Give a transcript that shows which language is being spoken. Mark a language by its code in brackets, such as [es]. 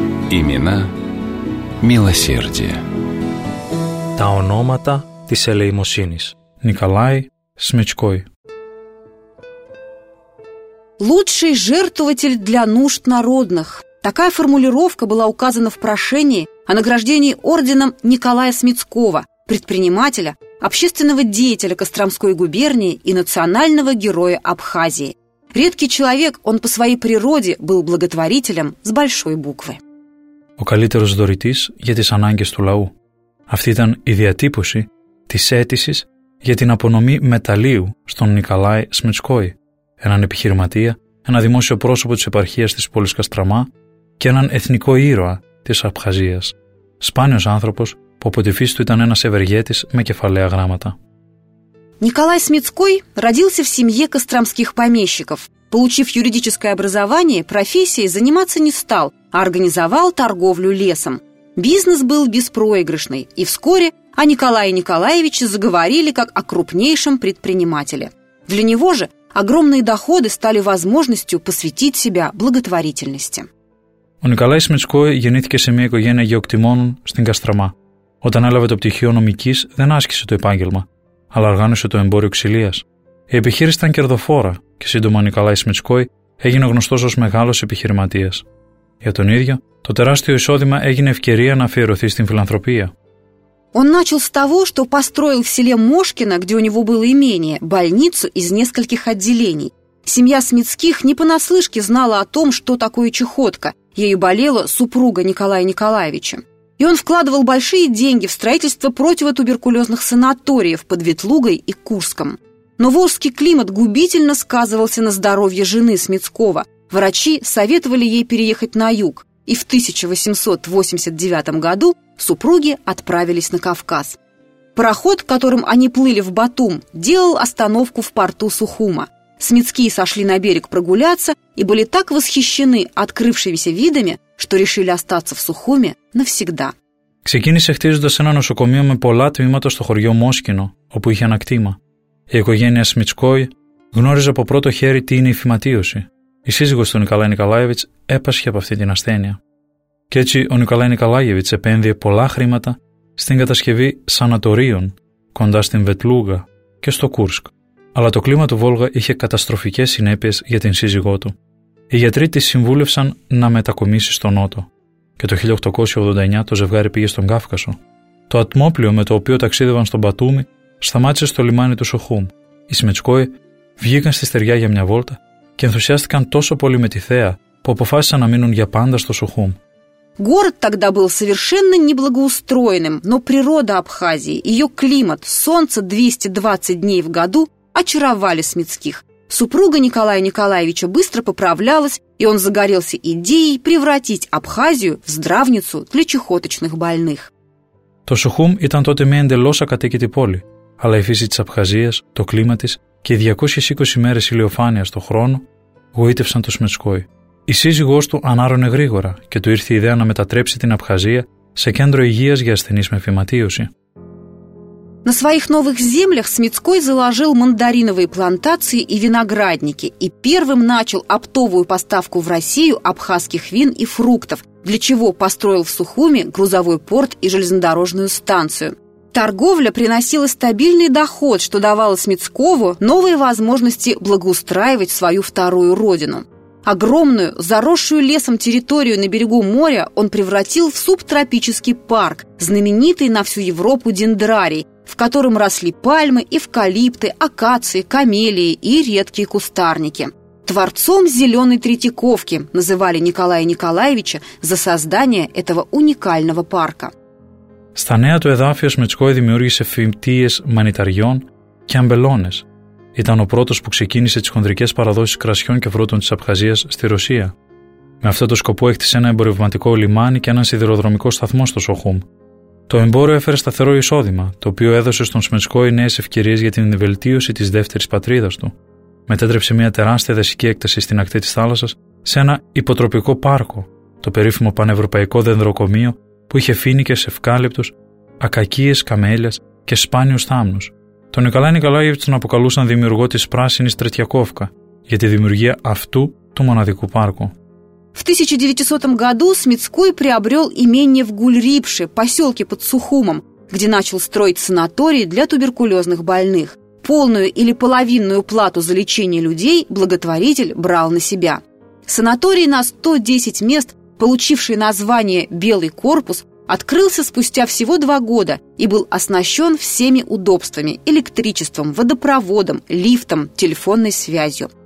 [ru] Имена милосердия. [el] Τα ονόματα της ελεημοσύνης. [ru] Николай Смечкой. Лучший жертвователь для нужд народных. Такая формулировка была указана в прошении о награждении орденом Николая Смецкого, предпринимателя, общественного деятеля Костромской губернии и национального героя Абхазии. Редкий человек, он по своей природе был благотворителем с большой буквы. [el] Ο καλύτερος δωρητής για τις ανάγκες του λαού. Αυτή ήταν η διατύπωση της αίτησης για την απονομή μεταλλείου στον Νικολάη Σμιτσκόη, έναν επιχειρηματία, ένα δημόσιο πρόσωπο της επαρχίας της πόλης Καστραμά και έναν εθνικό ήρωα της Αμπχαζίας. Σπάνιος άνθρωπος που από τη φύση του ήταν ένας ευεργέτης με κεφαλαία γράμματα. [ru] Николай Смецкой родился в семье костромских помещиков. Получив юридическое образование, профессией заниматься не стал, а организовал торговлю лесом. Бизнес был беспроигрышный, и вскоре о Николае Николаевиче заговорили как о крупнейшем предпринимателе. Для него же огромные доходы стали возможностью посвятить себя благотворительности. [el] Ο Николай Смецкой γεννήθηκε σε μια οικογένεια γεωκτημόνων στην Καστραμά. Όταν έλαβε το πτυχίο νομικής, δεν άσκησε το επάγγελμα, αλλά οργάνωσε το εμπόριο ξυλίας. Η επιχείρηση ήταν κερδοφόρα και σύντομα ο Νικολάη Σμιτσκόη έγινε γνωστός ως μεγάλος επιχειρηματίας. Για τον ίδιο, το τεράστιο εισόδημα έγινε ευκαιρία να αφιερωθεί στην φιλανθρωπία. [ru] Он начал с того, что построил в селе Мошкино, где у него было имение, больницу из нескольких отделений. Семья Смицких не понаслышке знала о том, что такое чахотка. Ею болела супруга Николая Николаевича. И он вкладывал большие деньги в строительство противотуберкулезных санаториев под Ветлугой и Курском. Но волжский климат губительно сказывался на здоровье жены Смецкого. врачи советовали ей переехать на юг, и в 1889 году супруги отправились на Кавказ. Пароход, которым они плыли в Батум, делал остановку в порту Сухума. Смитские сошли на берег прогуляться и были так восхищены открывшимися видами, что решили остаться в Сухуме навсегда. [el] Ξεκίνησε χτίζοντας ένα νοσοκομείο με πολλά τμήματα στο χωριό Μόσκινο, όπου είχε ένα κτήμα. Η οικογένεια Σμιτσκόη γνώριζε από πρώτο χέρι τι είναι η φυματίωση. Η σύζυγος του Νικολάη Νικολάεβιτς έπασχε από αυτή την ασθένεια. Και έτσι ο Νικολάη Νικολάεβιτς επένδυε πολλά χρήματα στην κατασκευή σανατορίων κοντά στην Βετλούγα και στο Κούρσκ. Αλλά το κλίμα του Βόλγα είχε καταστροφικές συνέπειες για την σύζυγό του. Οι γιατροί τη συμβούλευσαν να μετακομίσει στο Νότο. Και το 1889 το ζευγάρι πήγε στον Κάφκασο. Το ατμόπλιο με το οποίο ταξίδευαν στον Μπατούμι σταμάτησε στο λιμάνι του Σοχούμ. Οι Σμιτσκόοι βγήκαν στη στεριά για μια βόλτα και ενθουσιάστηκαν τόσο πολύ με τη θέα που αποφάσισαν να μείνουν για πάντα στο Σοχούμ. [ru] Город тогда был совершенно неблагоустроенным, но природа Абхазии, ее климат, солнце 220 дней в году очаровали Смитских. Супруга Николая Николаевича быстро поправлялась, и он загорелся идеей превратить Абхазию в здравницу для чахоточных больных. [el] Το Σουχούμ ήταν τότε μια εντελώς ακατοίκητη πόλη, αλλά η φύση της Αμπχαζίας, το κλίμα της και οι 220 μέρες ηλιοφάνειας το χρόνο γοήτευσαν το Σμιτσκόη. Η σύζυγός του ανάρωνε γρήγορα και του ήρθε η ιδέα να μετατρέψει την Αμπχαζία σε κέντρο υγείας για ασθενείς με φυματίωση. [ru] На своих новых землях Смитской заложил мандариновые плантации и виноградники и первым начал оптовую поставку в Россию абхазских вин и фруктов, для чего построил в Сухуме грузовой порт и железнодорожную станцию. Торговля приносила стабильный доход, что давало Смитскову новые возможности благоустраивать свою вторую родину. Огромную, заросшую лесом территорию на берегу моря он превратил в субтропический парк, знаменитый на всю Европу дендрарий, в котором росли пальмы, эвкалипты, акации, камелии и редкие кустарники. Творцом зеленой Третьяковки называли Николая Николаевича за создание этого уникального парка. [el] Στα νέα του εδάφια Σμιτσκόη δημιούργησε φυτείες μανιταριών και αμπελώνες. Ήταν ο πρώτος που ξεκίνησε τις χονδρικές παραδόσεις κρασιών και φρούτων της Αμπχαζίας στη Ρωσία. Με αυτό το σκοπό έκτισε ένα εμπορευματικό λιμάνι και έναν σιδηροδρομικό σταθμό στο Σοχούμ. Το εμπόριο έφερε σταθερό εισόδημα, το οποίο έδωσε στον Σμιτσκόη νέες ευκαιρίες για την βελτίωση της δεύτερης πατρίδας του. Μετέτρεψε μια τεράστια δασική έκταση στην ακτή της θάλασσας σε ένα υποτροπικό πάρκο, το περίφημο πανευρωπαϊκό δενδροκομείο που είχε φοίνικες, ευκάλυπτους, ακακίες καμέλιας και σπάνιους θάμνους. Τον Νικολάη Νικολάεβιτς τον αποκαλούσαν δημιουργό της πράσινης Τρετιακόφκα για τη δημιουργία αυτού του μοναδικού πάρκου. [ru] В 1900 году Смитской приобрел имение в Гульрипше, поселке под Сухумом, где начал строить санаторий для туберкулезных больных. Полную или половинную плату за лечение людей благотворитель брал на себя. Санаторий на 110 мест, получивший название «Белый корпус», открылся спустя всего 2 года и был оснащен всеми удобствами – электричеством, водопроводом, лифтом, телефонной связью.